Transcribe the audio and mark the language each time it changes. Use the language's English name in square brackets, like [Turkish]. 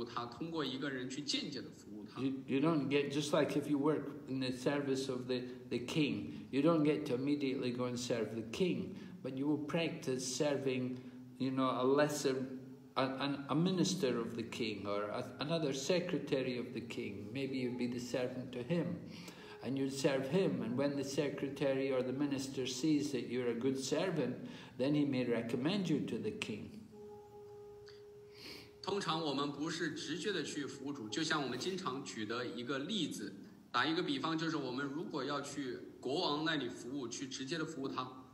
[Chinese] 通常我们不是去直接服务至尊主本人，而是服务他，间接的去服务他，通过一个人去间接的服务他。You [English] don't get, just like if you work in the service of the king, you don't get to immediately go and serve the king, but you will practice serving, you know, a lesser, a minister of the king, or another secretary of the king. Maybe you'd be the servant to him, and you'd serve him. And when the secretary or the minister sees that you're a good servant, then he may recommend you to the king. [Chinese] 通常我们不是直接的去服务主，就像我们经常举的一个例子，打一个比方，就是我们如果要去国王那里服务，去直接的服务他。